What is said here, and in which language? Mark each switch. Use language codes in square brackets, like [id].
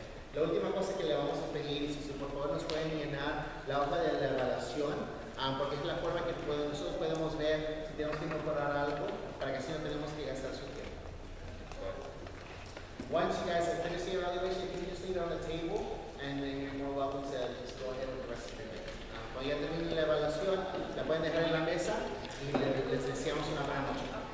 [es] La última cosa que le vamos a pedir es si por favor nos pueden llenar la hoja de la evaluación, porque es la forma que nosotros podemos ver si tenemos que incorporar algo para que así no tenemos que gastar su tiempo. [en] Once you guys have finished the evaluation, you can just leave it on the table and then you're more welcome to just go ahead with the rest of the day. [es] Cuando ya termine la evaluación, la pueden dejar en la mesa y les deseamos una buena noche.